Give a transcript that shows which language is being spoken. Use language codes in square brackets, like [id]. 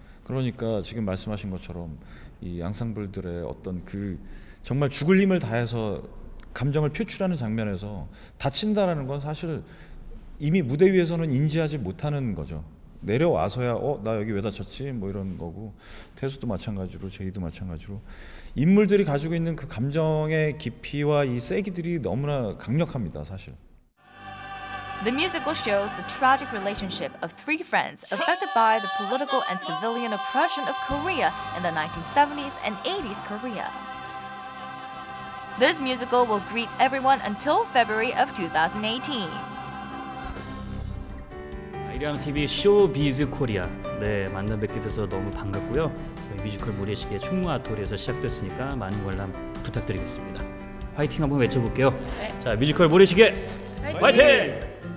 [ko] 그러니까 지금 말씀하신 것처럼 이 양상불들의 어떤 그 정말 죽을 힘을 다해서 감정을 표출하는 장면에서 다친다라는 건 사실 이미 무대 위에서는 인지하지 못하는 거죠. 내려와서야 나 여기 왜 다쳤지? 뭐 이런 거고 태수도 마찬가지로 제이도 마찬가지로 인물들이 가지고 있는 그 감정의 깊이와 이 세기들이 너무나 강력합니다, 사실. [en] The musical shows the tragic relationship of three friends affected by the political and civilian oppression of Korea in the 1970s and 80s Korea. This musical will greet everyone until February of 2018. [ko] 아이리아노 TV 쇼 비즈 코리아. 네, 만나 뵙게 돼서 너무 반갑고요. 뮤지컬 모래시계 충무아토리에서 시작됐으니까 많은 관람 부탁드리겠습니다. 화이팅 한번 외쳐볼게요. 네. 자, 뮤지컬 모래시계 화이팅! 화이팅!